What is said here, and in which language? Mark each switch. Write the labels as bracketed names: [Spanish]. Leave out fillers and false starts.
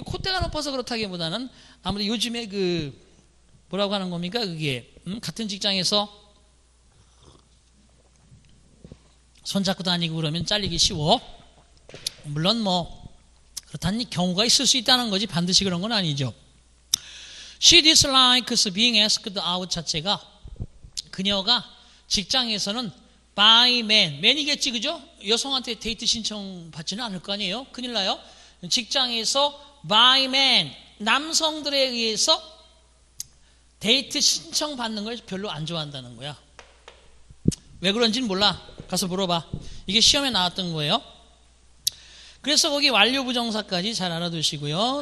[Korean] 콧대가 높아서 그렇다기보다는 아무래도 요즘에 그 뭐라고 하는 겁니까 그게 같은 직장에서 손 잡고 다니고 그러면 잘리기 쉬워. 물론 뭐 그렇다니 경우가 있을 수 있다는 거지 반드시 그런 건 아니죠. [English] She dislikes being asked out [Korean] 자체가 그녀가 직장에서는 by man, man이겠지 그죠? 여성한테 데이트 신청 받지는 않을 거 아니에요? 큰일 나요. 직장에서 [English] by man [Korean] 남성들에 의해서 데이트 신청 받는 걸 별로 안 좋아한다는 거야. 왜 그런지는 몰라. 가서 물어봐. 이게 시험에 나왔던 거예요. 그래서 거기 완료 부정사까지 잘 알아두시고요.